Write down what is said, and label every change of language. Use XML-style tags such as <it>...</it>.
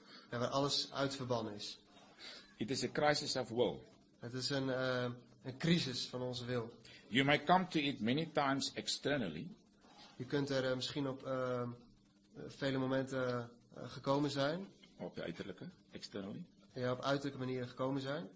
<nl>Ja, waar alles uit verband is.</nl> <en>It is a crisis of will.</en> <nl>Het is een crisis van onze wil.</nl> <en>You may come to it many times externally.</en> <nl>Je kunt er misschien op vele momenten gekomen zijn. Op uiterlijke, externally. Ja, op uiterlijke manieren gekomen zijn.</nl>